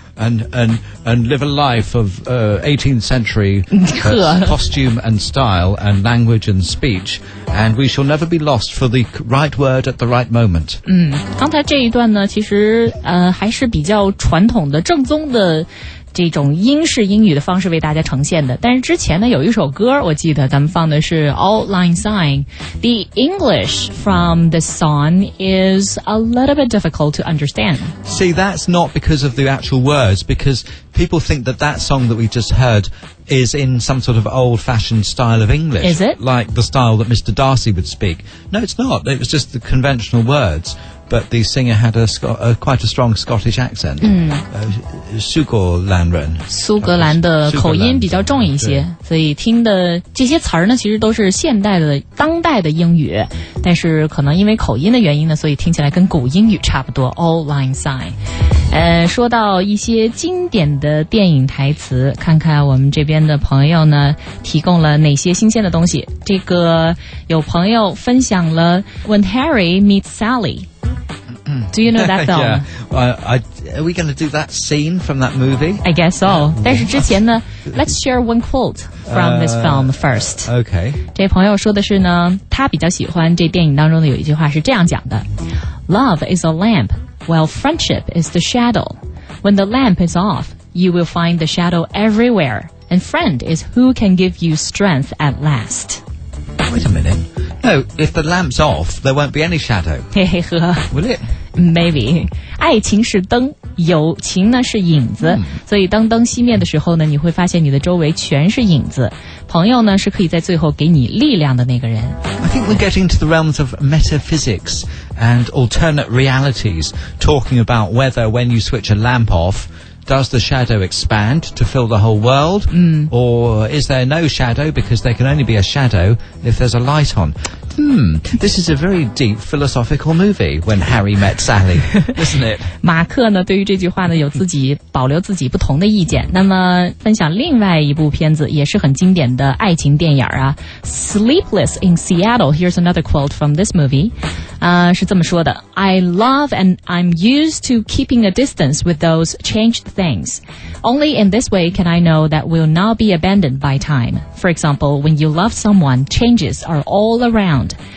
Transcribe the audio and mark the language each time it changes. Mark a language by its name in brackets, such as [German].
[English] And live a life of 18th century costume and style and language and speech, and we shall never be lost for the right word at the right moment. [Chinese] 嗯，刚才这一段呢，其实还是比较传统的、正宗的这种英式英语的方式为大家呈现的。但是之前呢，有一首歌，我记得咱们放的是《Auld Lang Syne》。 [English] The English from the song is a little bit difficult to understand. See, that's not because of the actual words, because people think that that song that we just heard is in some sort of old-fashioned style of English. Is it? Like the style that Mr. Darcy would speak. No, it's not. It was just the conventional words. But the singer had quite a strong Scottish accent. [Chinese] 苏格兰人。苏格兰的口音比较重一些。所以听的这些词儿呢其实都是现代的当代的英语。但是可能因为口音的原因呢所以听起来跟古英语差不多。 [English] Auld Lang Syne。 [Chinese] 说到一些经典的电影台词看看我们这边的朋友呢提供了哪些新鲜的东西。这个有朋友分享了 When Harry Meets Sally。 [English] Do you know that film? Are we going to do that scene from that movie? I guess so. [Chinese] 但是之前呢 [English] let's share one quote from this film first. Okay. [Chinese] 这朋友说的是呢他比较喜欢这电影当中的有一句话是这样讲的 [English] Love is a lamp, while friendship is the shadow. When the lamp is off, you will find the shadow everywhere. And friend is who can give you strength at last. Wait a minute. No, if the lamp's off, there won't be any shadow. 嘿嘿呵。 Will it? Maybe. [Chinese] 爱情是灯，友情呢是影子。所以当灯熄灭的时候呢，你会发现你的周围全是影子。朋友呢是可以在最后给你力量的那个人。 [English] I think we're getting to the realms of metaphysics and alternate realities, talking about whether when you switch a lamp off... Does the shadow expand to fill the whole world?、 Mm. Or is there no shadow because there can only be a shadow if there's a light on? This is a very deep philosophical movie, When Harry Met Sally, isn't it? [Chinese] 马克呢对于这句话呢有自己保留自己不同的意见。那么分享另外一部片子也是很经典的爱情电影啊。 [English] Sleepless in Seattle, here's another quote from this movie. [Chinese] 是这么说的 [English] I love and I'm used to keeping a distance with those changed things. Only in this way can I know that we'll not be abandoned by time. For example, when you love someone, changes are all around.